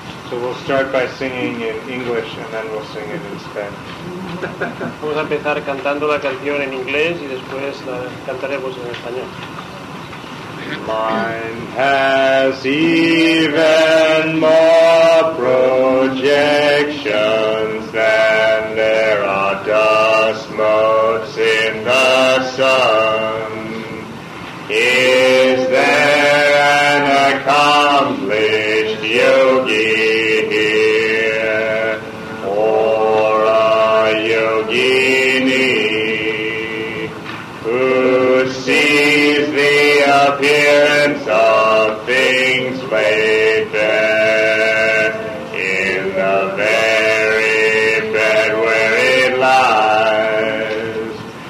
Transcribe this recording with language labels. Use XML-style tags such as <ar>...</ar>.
<en>So we'll start by singing in English and then we'll sing it in Spanish.</en> <es>Vamos a empezar cantando la canción en inglés y después la cantaremos en español.</es> <en>Mine has even more projections than there are dust motes in the sun. Is there an accomplished yogi here, or a yogini who sees the appearance of things laid bare in the very bed where it lies?</en>